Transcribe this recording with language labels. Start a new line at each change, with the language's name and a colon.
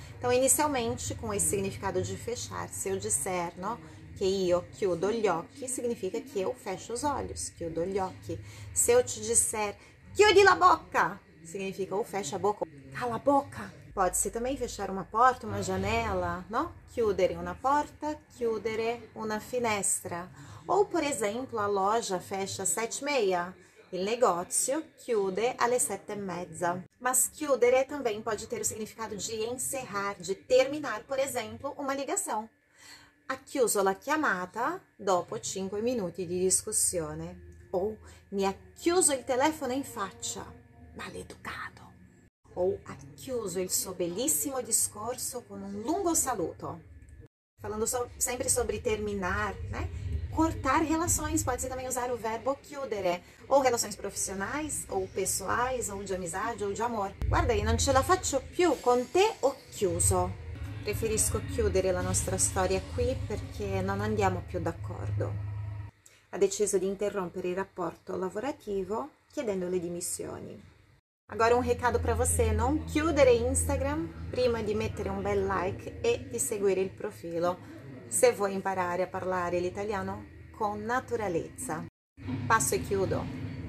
Portuguese: Então, inicialmente, com esse significado de fechar, se eu disser, no, que
Italian: io chiudo gli occhi,
Portuguese: significa que eu fecho os olhos,
Italian: chiudo gli occhi.
Portuguese: Se eu te disser,
Italian: chiudi la bocca,
Portuguese: significa ou fecha a boca, ou cala a boca. Pode-se também fechar uma porta, uma janela, no?
Italian: Chiudere una porta, chiudere una finestra.
Portuguese: Ou, por exemplo, a loja fecha às 7:30.
Italian: Il negozio chiude alle 7:30.
Portuguese: Mas chiudere também pode ter o significado de encerrar, de terminar, por exemplo, uma ligação.
Italian: Ha chiuso la chiamata dopo 5 minuti di discussione. Ou mi ha chiuso il telefono in faccia. Maleducato. Ou ha chiuso il suo bellissimo discorso con un lungo saluto.
Portuguese: Falando sempre sobre terminar, né? Cortar relações, pode-se também usar o verbo chiudere. Ou relações profissionais, ou pessoais, ou de amizade, ou de amor.
Italian: Guarda, io non ce la faccio più con te, ho chiuso. Preferisco chiudere la nostra storia qui perché non andiamo più d'accordo. Ha deciso di interrompere il rapporto lavorativo chiedendo le dimissioni.
Portuguese: Agora um recado para você, não
Italian: chiudere Instagram prima di mettere un bel like e di seguire il profilo, se vuoi imparare a parlare l'italiano con naturalezza. Passo e chiudo.